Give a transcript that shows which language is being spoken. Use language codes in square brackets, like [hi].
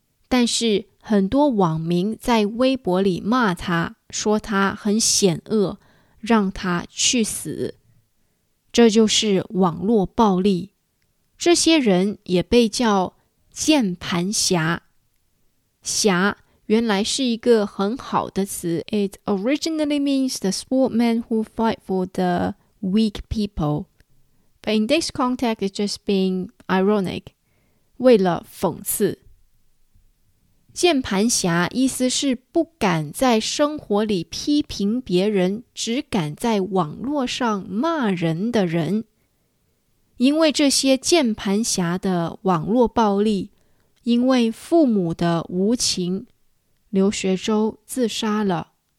[zh] 但是很多网民在微博里骂他，说他很险恶，让他去死。这就是网络暴力。这些人也被叫键盘侠。侠原来是一个很好的词。 [en] It originally means the sportsman who fight for the weak people. But in this context, it's just being ironic. [zh] 为了讽刺。键盘侠意思是不敢在生活里批评别人，只敢在网络上骂人的人。因为这些键盘侠的网络暴力，因为父母的无情，刘学周自杀了。